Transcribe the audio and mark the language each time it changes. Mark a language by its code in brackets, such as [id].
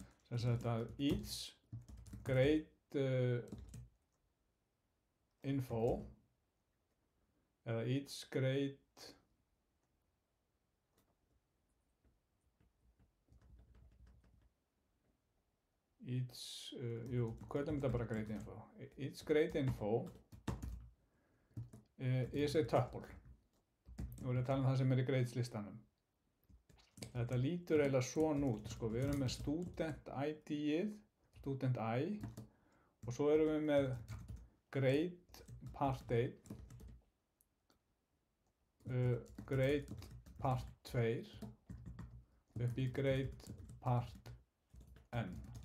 [is] Þess að þetta each grade info eða each grade hvernig er þetta bara grade info? [en] Each grade info is a tuple. [is] Nú erum við að tala um það sem er í grades listanum. Þetta lítur eiginlega svona út, sko. Við erum með student ID-ið, student I, og svo erum við með grade part 1, grade part 2, upp í grade part N.